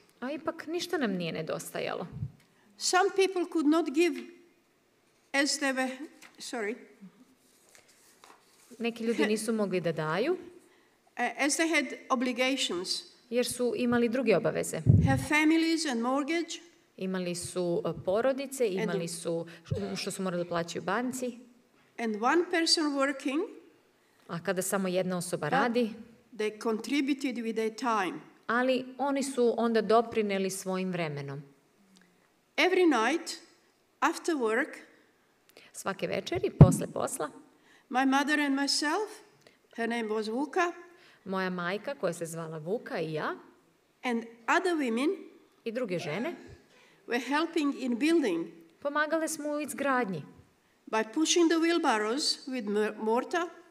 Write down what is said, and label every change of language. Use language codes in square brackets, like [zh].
[sr] A ipak ništa nam nije nedostajalo. [en] Some people could not give as they were, sorry. [sr] Neki ljudi nisu mogli da daju. [en] As they had obligations. [sr] Jer su imali druge obaveze. [en] Have families and mortgage. [sr] Imali su porodice, imali su što su morali da plaćaju banci. [en] And one person working. [sr] A kada samo jedna osoba radi. [en] They contributed with their time. [sr] Ali oni su onda doprineli svojim vremenom. [en] Every night after work. [sr] Svake večeri posle posla. [en] My mother and myself, her name was Vuka. [sr] Moja majka, koja se zvala Vuka, i ja. [en] And other women. [sr] I druge žene. [en] Were helping in building. [sr] Pomagale smo u izgradnji. [en] By pushing the wheelbarrows with mortar.